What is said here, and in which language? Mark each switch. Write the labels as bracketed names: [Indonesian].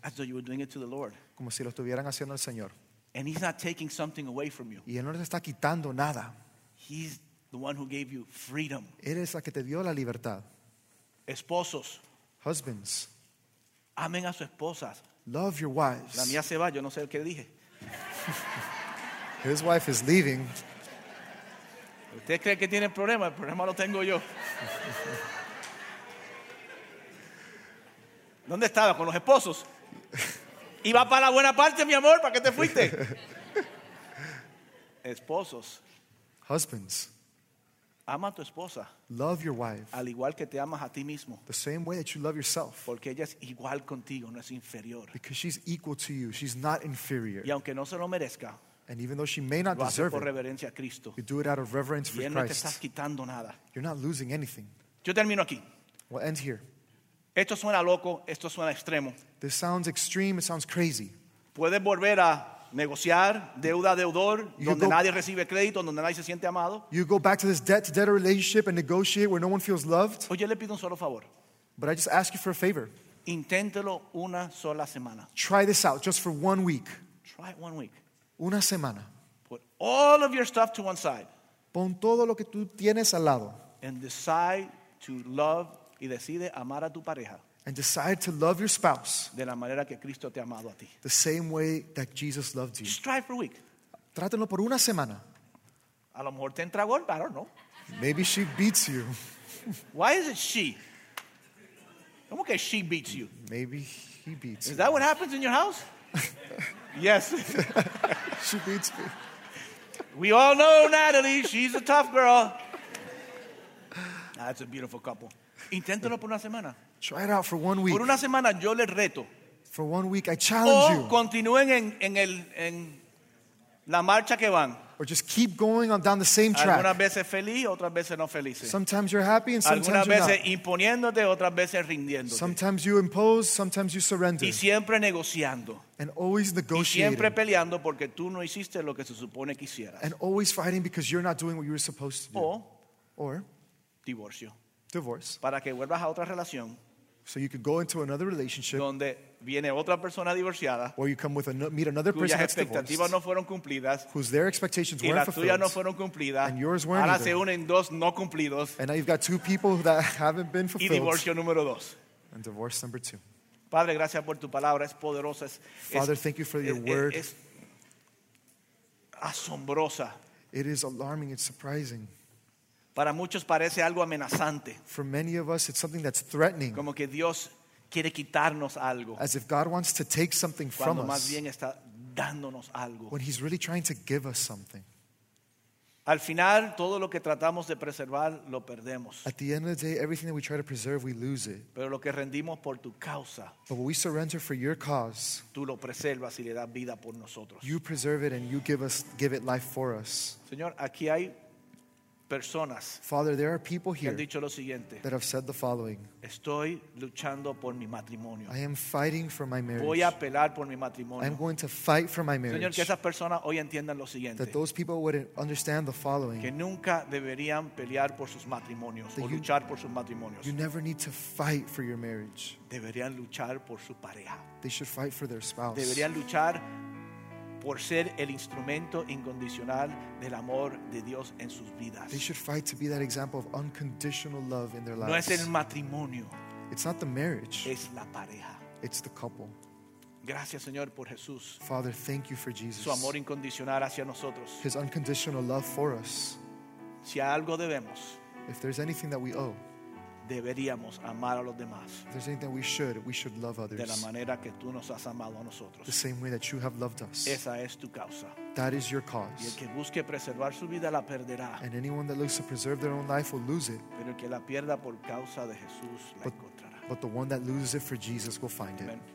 [English] As though you were doing it to the Lord. [Spanish] Como si lo estuvieran haciendo al Señor. [English] And he's not taking something away from you. [Spanish] Y él no les está quitando nada. [English] He's the one who gave you freedom. [Spanish] Él es la que te dio la libertad. [English] Esposos. [Spanish] Husbands. Amen a sus esposas. [English] Love your wives. [Spanish] La mía se va, yo no sé qué dije. [English] His wife is leaving. [Spanish] ¿Usted cree que tiene problema? El problema lo tengo yo. ¿Dónde estaba? Con los esposos. Iba para la buena parte, mi amor, ¿para qué te fuiste? Esposos. [English] Husbands. [Spanish] Ama a tu esposa. [English] Love your wife. [Spanish] Al igual que te amas a ti mismo. [English] The same way that you love yourself. [Spanish] Porque ella es igual contigo, no es inferior. [English] Because she's equal to you, she's not inferior. [Spanish] Y aunque no se lo merezca. [English] And even though she may not deserve it. [Spanish] Lo hace por reverencia a Cristo. [English] You do it out of reverence for Christ. [Spanish] Y él no te estás quitando nada. [English] You're not losing anything. [Spanish] Yo termino aquí. [English] We'll end here. [Spanish] Esto suena loco, esto suena extremo. [English] This sounds extreme, it sounds crazy. [Spanish] Puedes volver a negociar deuda deudor donde nadie recibe crédito, donde nadie se siente amado. [English] You go back to this debt to debtor relationship and negotiate where no one feels loved. [Spanish] Oye, le pido un solo favor. [English] But I just ask you for a favor. [Spanish] Inténtelo una sola semana. [English] Try this out just for 1 week. Try it 1 week. [Spanish] Una semana. [English] Put all of your stuff to one side. [Spanish] Pon todo lo que tú tienes al lado. [English] And decide to love [Spanish] y decide amar a tu pareja. [English] And decide to love your spouse [Spanish] de la manera que Cristo te ha amado a ti. [English] The same way that Jesus loved you. Just try for a week. [Spanish] Trátenlo por una semana. A lo mejor te entra golpe, [English] I don't know. Maybe she beats you. Why is it she? [Spanish] ¿Cómo que [English] she beats you? Maybe he beats is Is that what happens in your house? Yes. She beats me. We all know Natalie. She's a tough girl. That's a beautiful couple. [Spanish] Inténtelo por una semana. [English] Try it out for 1 week. [Spanish] Por una semana yo les reto. [English] For 1 week, I challenge you. [Spanish] O continúen en la marcha que van. [English] Or just keep going on down the same track. [Spanish] Algunas veces feliz, otras veces no felices. [English] Sometimes you're happy and sometimes you're not. [Spanish] Algunas veces imponiéndote, otras veces rindiéndote. [English] Sometimes you impose, sometimes you surrender. [Spanish] Y siempre negociando. [English] And always negotiating. [Spanish] Y siempre peleando porque tú no hiciste lo que se supone que hicieras. [English] And always fighting because you're not doing what you were supposed to do. Or [Spanish] divorcio. [English] Divorce. [Spanish] Para que vuelvas a otra relación. [English] So you could go into another relationship. [Spanish] Donde viene otra persona divorciada. [English] Or you come with meet another person that's divorced. [Spanish] Cuyas expectativas no fueron cumplidas. [English] Whose their expectations weren't fulfilled. [Spanish] Y las tuyas no fueron cumplidas. [English] And yours weren't either. [Spanish] Ahora se unen dos no cumplidos. [English] And now you've got two people that haven't been fulfilled. [Spanish] Y divorcio número dos. [English] And divorce number two. [Spanish] Padre, gracias por tu palabra. Es poderosa. [English] Father, thank you for your word. [Spanish] Es asombrosa. [English] It is alarming. It's surprising. [Spanish] Para muchos parece algo amenazante. [English] For many of us, it's something that's threatening. [Spanish] Como que Dios quiere quitarnos algo. [English] As if God wants to take something [Spanish] cuando [English] from [Spanish] más [English] us. [Spanish] Bien está dándonos algo. [English] When he's really trying to give us something. [Spanish] Al final, todo lo que tratamos de preservar, lo perdemos. [English] At the end of the day, everything that we try to preserve, we lose it. [Spanish] Pero lo que rendimos por tu causa, [English] but what we surrender for your cause, [Spanish] tú lo preservas y le das vida por nosotros. [English] You preserve it and you give it life for us. [Spanish] Señor, aquí hay personas, [English] Father, there are people here [Spanish] que han dicho lo siguiente, [English] that have said the following. [Spanish] Estoy luchando por mi matrimonio. [English] I am fighting for my marriage. [Spanish] Voy a apelar por mi matrimonio. [English] I am going to fight for my marriage. [Spanish] Señor, que esas personas hoy entiendan lo siguiente, [English] that those people would understand the following. [Spanish] Que nunca deberían pelear por sus matrimonios, o luchar por sus matrimonios. [English] You never need to fight for your marriage. [Spanish] Deberían luchar por su pareja. [English] They should fight for their spouse. [Spanish] Deberían luchar por ser el instrumento incondicional del amor de Dios en sus vidas. [English] They should fight to be that example of unconditional love in their lives. [Spanish] No es el matrimonio. [English] It's not the marriage. [Spanish] Es la pareja. [English] It's the couple. [Spanish] Gracias, Señor, por Jesús. [English] Father, thank you for Jesus. [Spanish] Su amor incondicional hacia nosotros. [English] His unconditional love for us. [Spanish] Si algo debemos, [English] if there's anything that we owe, [Spanish] deberíamos amar a los demás. [English] If there's anything we should love others. [Spanish] De la manera que tú nos has amado a nosotros. [English] The same way that you have loved us. [Spanish] Esa es tu causa. [English] That is your cause. [Spanish] Y el que busque preservar su vida la perderá. [English] And anyone that looks to preserve their own life will lose it. [Spanish] Pero el que la pierda por causa de Jesús la encontrará. [English] But the one that loses it for Jesus will find it. Amen.